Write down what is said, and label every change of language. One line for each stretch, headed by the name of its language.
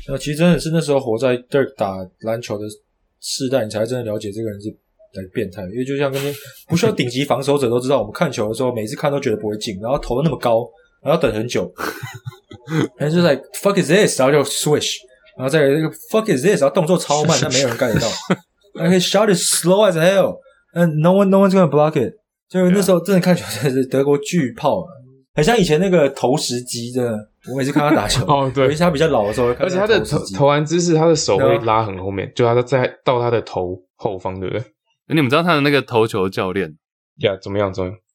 Chinese: 那其实真的是那时候活在 Dirk 打篮球的世代，你才真的了解这个人是来变态。因为就像跟不需要顶级防守者都知道，我们看球的时候每次看都觉得不会进，然后投的那么高，然后等很久，然后就
English: like fuck is this，
Chinese: 然后就 switch， 然后再
English: fuck is this，
Chinese: 然后动作超慢，但没有人盖得到。
English: I can shot is slow as hell， and no one's gonna block it。
Chinese: 所以那时候真的看球真的是德国巨炮啊，很像以前那个投石机，真的。我每次看他打球，哦，对，尤其他比较老的时候，而且他的投篮姿势，他的手会拉很后面，就他在到他的头后方，对不对？你们知道他的那个投球教练呀？怎么样？怎么样？